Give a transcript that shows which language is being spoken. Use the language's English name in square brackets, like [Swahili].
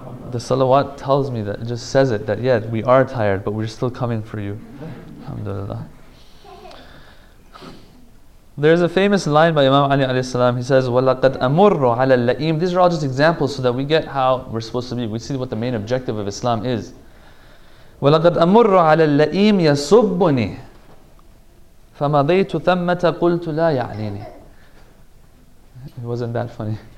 [English] The salawat tells me that, it just says it, that yeah, we are tired, but we're still coming for you. Alhamdulillah. There's a famous line by Imam Ali alayhi salam. He says, [Arabic] وَلَقَدْ أَمُرُّ عَلَى اللَّئِيمِ. [English] These are all just examples so that we get how we're supposed to be. We see what the main objective of Islam is. [Arabic] وَلَقَدْ أَمُرُّ عَلَى اللَّئِيمِ يَصُبُّنِي فَمَضَيْتُ ثَمَّتَ قُلْتُ لَا يَعْنِينِ. [English] It wasn't that funny.